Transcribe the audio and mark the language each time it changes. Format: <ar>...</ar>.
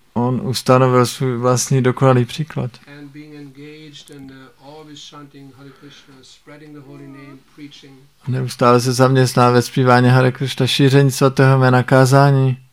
<cs>On ustanovil svůj vlastní dokonalý příklad.</cs> <en>And being engaged in the always chanting Hare Krishna, spreading the holy name, preaching.</en> <cs>Neustále se zaměstnává ve zpívání Hare Krishna, šíření svatého jména, kázání.</cs>